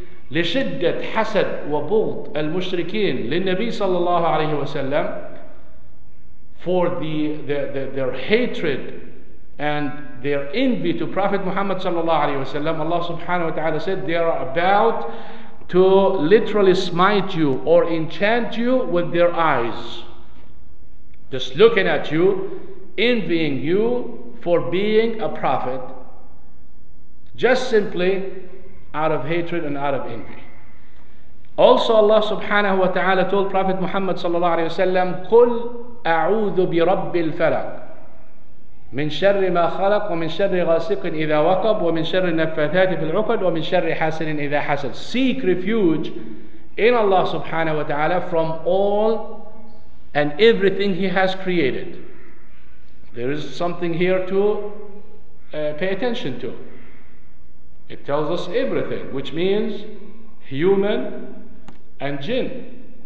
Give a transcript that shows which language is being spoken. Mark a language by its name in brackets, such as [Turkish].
[Arabic] لشدة حسد وبغض المشركين للنبي صلى الله عليه وسلم, [English] for their hatred and their envy to Prophet Muhammad صلى الله عليه وسلم, Allah subhanahu wa ta'ala said, they are about to literally smite you or enchant you with their eyes, just looking at you, envying you for being a prophet, just simply out of hatred and out of envy. Also, Allah subhanahu wa ta'ala told Prophet Muhammad sallallahu alayhi wa sallam, [Arabic] قُلْ أَعُوذُ بِرَبِّ الْفَلَقِ مِنْ شَرِّ مَا خَلَقُ وَمِنْ شَرِّ غَاسِقٍ إِذَا وَقَبُ وَمِنْ شَرِّ النَّفَّاثَاتِ فِي الْعُقَدِ وَمِنْ شَرِّ حَاسِدٍ إِذَا حَسَدَ. [English] Seek refuge in Allah subhanahu wa ta'ala from all and everything He has created. There is something here to pay attention to. It tells us everything, which means human and jinn.